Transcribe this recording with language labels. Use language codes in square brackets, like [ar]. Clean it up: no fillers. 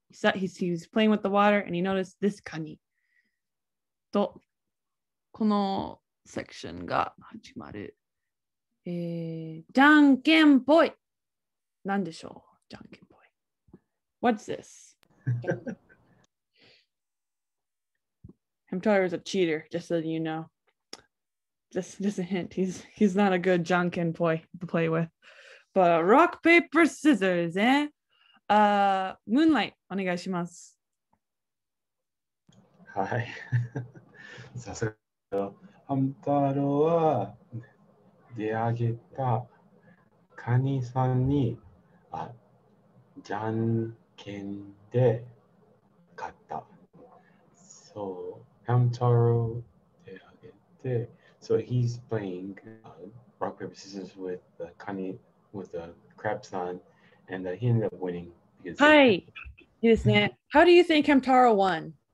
[en] He's playing with the water and he noticed this カニ。 [ja] と、このセクションが始まる。じゃんけんぽい。なんでしょう、じゃんけんぽい。 [en] What's this? Hamtaro is a cheater, just so you know. Just a hint, he's not a good じゃんけんぽいto play with. But rock, paper, scissors, eh? Moonlight, [ja] お願いします。はい。さすが。ハムタロは出あげたカニさんにじゃんけんで勝った。 [en] So [ja] ハムタロ出あげて、 [en] So he's playing rock paper scissors with the カニ with the crab son, and he ended up winning because. [ja] はい、いいですね。 [en] How do you think ハムタロ won?